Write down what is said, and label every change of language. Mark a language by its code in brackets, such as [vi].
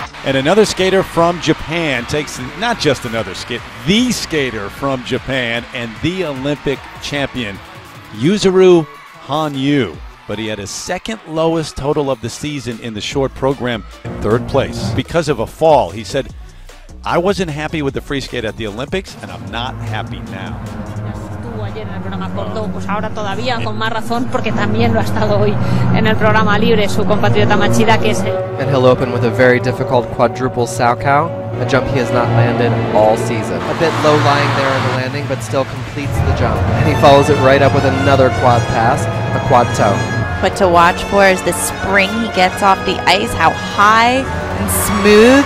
[en] And another skater from Japan takes, not just another skater, the skater from Japan and the Olympic champion, Yuzuru Hanyu. But he had his second lowest total of the season in the short program, in third place, because of a fall. He said, I wasn't happy with the free skate at the Olympics, and I'm not happy now. [es] Ayer en el programa corto, pues ahora todavía con más razón, porque también lo ha estado hoy en el programa libre su compatriota Machida, que es él. [en] And he'll open with a very difficult quadruple saukou, a jump he has not landed all season. A bit low lying there on the landing, but still completes the jump. And he follows it right up with another quad pass, a quad toe. What to watch for is the spring he gets off the ice, how high and smooth.